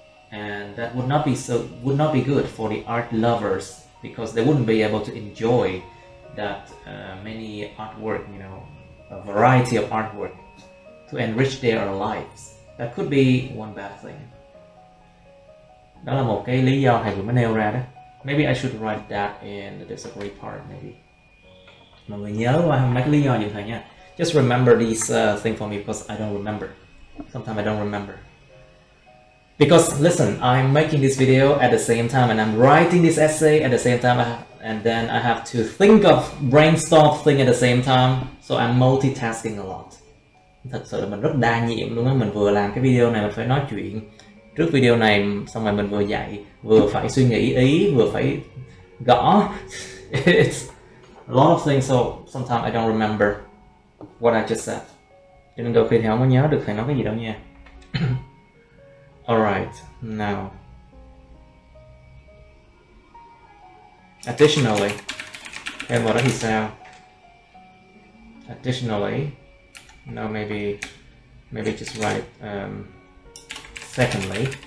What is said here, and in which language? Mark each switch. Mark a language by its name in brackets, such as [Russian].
[English] And that would not be good for the art lovers, because they wouldn't be able to enjoy that many artwork, you know, a variety of artwork to enrich their lives. That could be one bad thing. [Vietnamese] Đó là một cái lý do thầy vừa mới nêu ra đó. [English] Maybe I should write that in the disagree part, maybe. [Vietnamese] Mọi người nhớ qua mấy cái lý do dùm thầy nha. [English] Just remember these thing for me because I don't remember. Sometimes I don't remember. Because listen, I'm making this video at the same time and I'm writing this essay at the same time and then I have to think of brainstorm thing at the same time. So I'm multitasking a lot. [Vietnamese] Thật sự là mình rất đa nhiệm luôn á, mình vừa làm cái video này mình phải nói chuyện trước video này xong rồi mình vừa dạy, vừa phải suy nghĩ ý, vừa phải gõ. [English] It's a lot of things, so sometimes I don't remember what I just said. [Vietnamese] Cho nên đôi khi thì không có nhớ được phải nói cái gì đâu nha. [English] Alright, now. Additionally, [Vietnamese] thêm vào đó thì sao? [English] Additionally, no, maybe just write secondly.